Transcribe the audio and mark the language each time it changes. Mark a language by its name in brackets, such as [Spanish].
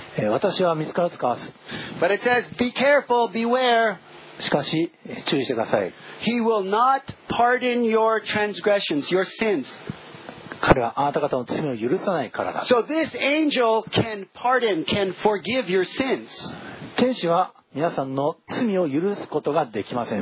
[Japanese] 私は見つからず交わす。 [English] But it says be careful, beware。 [Japanese] しかし注意してください。 [English] He will not pardon your transgressions, your sins. [Japanese] 彼はあなた方の罪を許さないからだ。 [English] So this angel can pardon, can forgive your sins. [Japanese] 天使は皆さんの罪を許すことができません。